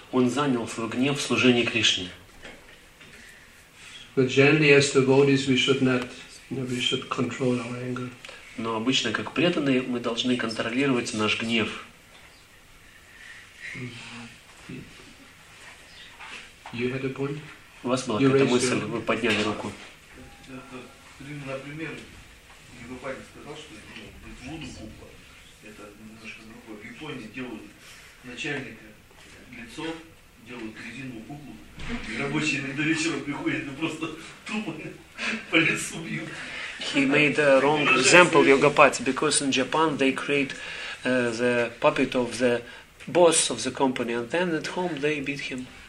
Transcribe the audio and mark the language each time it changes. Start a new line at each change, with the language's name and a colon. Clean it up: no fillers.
Russian: Он занял свой гнев в служении Кришне.
English: But generally, as devotees, we should control our anger.
Russian: Но обычно, как преданные, мы должны контролировать наш гнев.
English: You had a point?
Russian: У вас была какая-то мысль, вы подняли руку. Например, Гибопади сказал, что Будда Купа, это немножко другое. В Японии делают начальника лицо, делают резиновую куклу, и рабочие иногда вечером приходят и просто тупо по лицу бьют.
English: He made a wrong example, Yogapati, because in Japan they create the puppet of the boss of the company, and then at home they beat him.